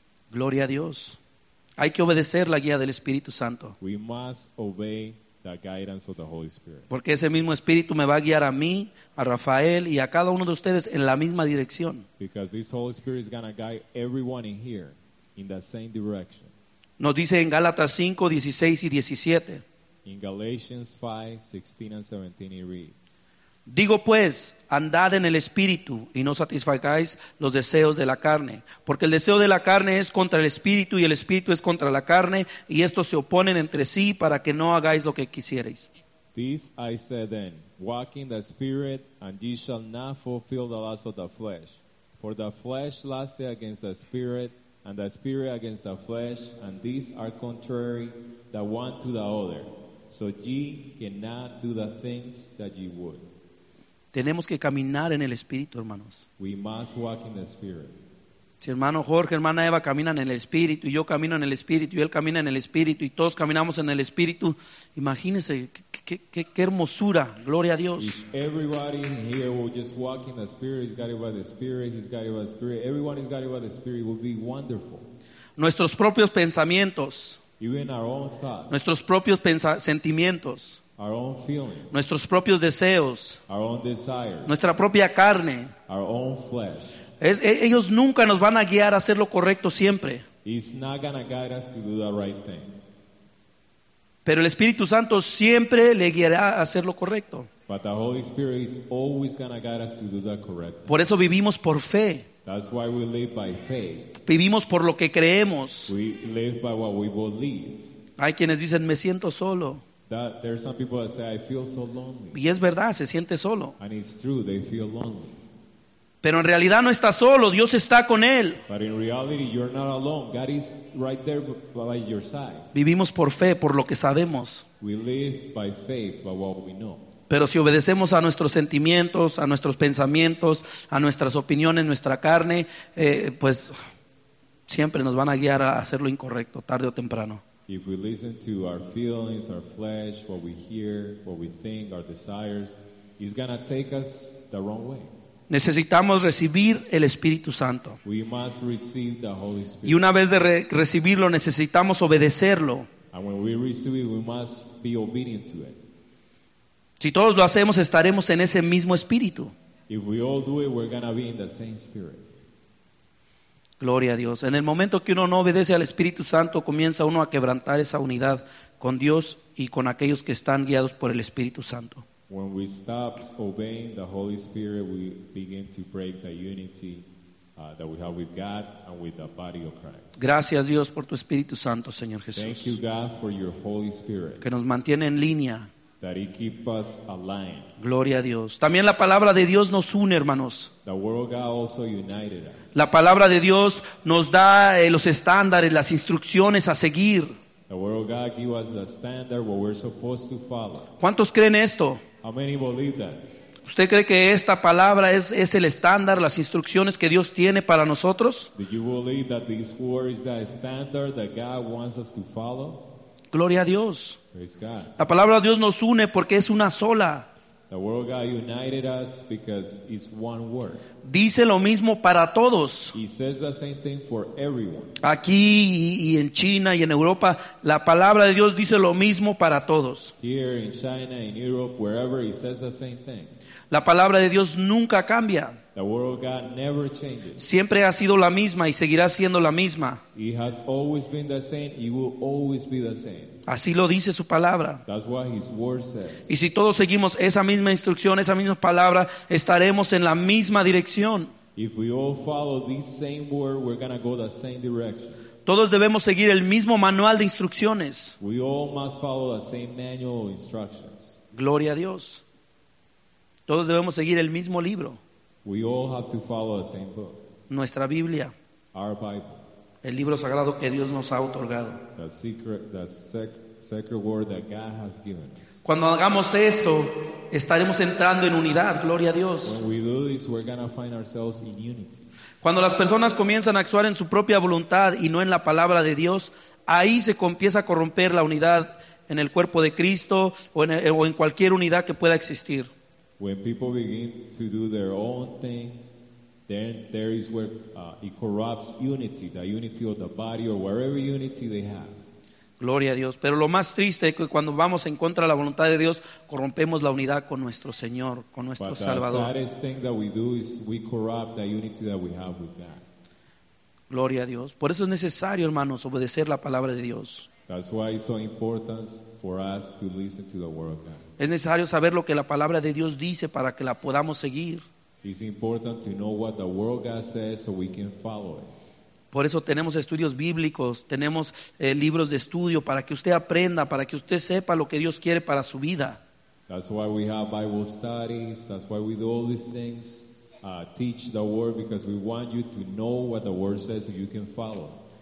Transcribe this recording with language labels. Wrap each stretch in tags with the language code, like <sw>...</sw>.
<es>Gloria a Dios. Hay que obedecer la guía del Espíritu Santo.</es> <en>We must obey the guidance of the Holy Spirit.</en> <es>Porque ese mismo Espíritu me va a guiar a mí, a Rafael y a cada uno de ustedes en la misma dirección.</es> <en>Because this Holy Spirit is going to guide everyone in here in the same direction.</en> <es>Nos dice en Gálatas 5, 16 y 17.</es> <en>In Galatians 5, 16 and 17 it reads.</en> <es>Digo pues, andad en el Espíritu y no satisfagáis los deseos de la carne. Porque el deseo de la carne es contra el Espíritu y el Espíritu es contra la carne. Y estos se oponen entre sí para que no hagáis lo que quisierais.</es> <en>This I said then, walk in the Spirit and ye shall not fulfill the lust of the flesh. For the flesh lusteth against the Spirit. And the Spirit against the flesh, and these are contrary the one to the other. So ye cannot do the things that ye would.</en> <es>Tenemos que caminar en el Espíritu, hermanos.</es> <en>We must walk in the Spirit.</en> <es>Si hermano Jorge, hermana Eva caminan en el Espíritu, y yo camino en el Espíritu, y él camina en el Espíritu, y todos caminamos en el Espíritu, imagínense, qué hermosura, gloria a Dios.</es> <en>If everybody here will just walk in the Spirit, he's guided by the Spirit, he's guided by the Spirit, everyone is guided by the Spirit, it will be wonderful.</en> <es>Nuestros propios pensamientos,</es> <en>even our own thoughts,</en> <es>nuestros propios sentimientos,</es> <en>our own feelings,</en> <es>nuestros propios deseos,</es> <en>our own desires,</en> <es>nuestra propia carne,</es> <en>our own flesh.</en> <es>Ellos nunca nos van a guiar a hacer lo correcto siempre.</es> <en>He's not gonna guide us to do the right thing.</en> <es>Pero el Espíritu Santo siempre le guiará a hacer lo correcto.</es> <en>But the Holy Spirit is always gonna guide us to do the correct thing.</en> <es>Por eso vivimos por fe.</es> <en>That's why we live by faith.</en> <es>Vivimos por lo que creemos.</es> <en>We live by what we believe.</en> <es>Hay quienes dicen, me siento solo.</es> <en>There are some people that say, I feel so lonely.</en> <es>Y es verdad, se siente solo.</es> <en>And it's true, they feel lonely.</en> <es>Pero en realidad no está solo, Dios está con él.</es> <en>But in reality, you're not alone. God is right there by your side.</en> <es>Vivimos por fe, por lo que sabemos.</es> <en>We live by faith, by what we know.</en> <es>Pero si obedecemos a nuestros sentimientos, a nuestros pensamientos, a nuestras opiniones, nuestra carne, pues siempre nos van a guiar a hacer lo incorrecto, tarde o temprano.</es> <en>If we listen to our feelings, our flesh, what we hear, what we think, our desires, it's going to take us the wrong way.</en> <es>Necesitamos recibir el Espíritu Santo.</es> <en>We must receive the Holy Spirit.</en> <es>Y una vez de recibirlo, necesitamos obedecerlo.</es> <en>And when we receive it, we must be obedient to it.</en> <es>Si todos lo hacemos, estaremos en ese mismo espíritu.</es> <en>If we all do it, we're going to be in the same spirit.</en> <es>Gloria a Dios. En el momento que uno no obedece al Espíritu Santo, comienza uno a quebrantar esa unidad con Dios y con aquellos que están guiados por el Espíritu Santo.</es> <en>When we stop obeying the Holy Spirit, we begin to break the unity that we have with God and with the body of Christ.</en> <es>Gracias Dios por tu Espíritu Santo, Señor Jesús.</es> <en>Thank you God for your Holy Spirit.</en> <es>Que nos mantiene en línea.</es> <en>That he keep us aligned.</en> <es>Gloria a Dios. También la palabra de Dios nos une, hermanos.</es> <en>The word of God also united us.</en> <es>La palabra de Dios nos da los estándares, las instrucciones a seguir.</es> <en>The word of God give us the standard what we're supposed to follow.</en> <es>¿Cuántos creen esto?</es> <en>How many believe that?</en> <es>¿Usted cree que esta palabra es el estándar, las instrucciones que Dios tiene para nosotros?</es> <en>Do you believe that this word is the standard that God wants us to follow?</en> <es>Gloria a Dios. La palabra de Dios nos une porque es una sola.</es> <en>The word of God united us because it's one word.</en> <es>Dice lo mismo para todos.</es> <en>He says the same thing for everyone.</en> <es>Aquí y en China y en Europa, la palabra de Dios dice lo mismo para todos.</es> <en>Here in China, in Europe, wherever, he says the same thing.</en> <es>La palabra de Dios nunca cambia.</es> <en>The word of God never changes.</en> <es>Siempre ha sido la misma y seguirá siendo la misma.</es> <en>It has always been the same. It will always be the same.</en> <es>Así lo dice su palabra.</es> <en>That's what his word says.</en> <es>Y si todos seguimos esa misma instrucción, esa misma palabra, estaremos en la misma dirección.</es> <en>If we all follow this same word, we're gonna go the same direction.</en> <es>Todos debemos seguir el mismo manual de instrucciones.</es> <en>We all must follow the same manual instructions.</en> <es>Gloria a Dios. Todos debemos seguir el mismo libro.</es> <en>We all have to follow the same book.</en> <es>Nuestra Biblia.</es> <en>Our Bible.</en> <es>El libro sagrado que Dios nos ha otorgado.</es> <en>The secret word that God has given us.</en> <es>Cuando hagamos esto, estaremos entrando en unidad. Gloria a Dios.</es> <en>When we do this, we're gonna find ourselves in unity.</en> <es>Cuando las personas comienzan a actuar en su propia voluntad y no en la palabra de Dios, ahí se empieza a corromper la unidad en el cuerpo de Cristo o en cualquier unidad que pueda existir.</es> <en>When people begin to do their own thing, then there is where it corrupts unity, the unity of the body or whatever unity they have.</en> <es>Gloria a Dios. Pero lo más triste es que cuando vamos en contra de la voluntad de Dios, corrompemos la unidad con nuestro Señor, con nuestro Salvador.</es> <en>But the saddest thing that we do is we corrupt the unity that we have with God.</en> <es>Gloria a Dios. Por eso es necesario, hermanos, obedecer la palabra de Dios.</es> <en>That's why it's so important for us to listen to the word of God.</en> <es>Es necesario saber lo que la palabra de Dios dice para que la podamos seguir.</es> <en>It's important to know what the word of God says so we can follow it.</en> <es>Por eso tenemos estudios bíblicos, tenemos libros de estudio para que usted aprenda, para que usted sepa lo que Dios quiere para su vida.</es> <en>That's why we have Bible studies, that's why we do all these things, teach the word because we want you to know what the word says so you can follow.</en>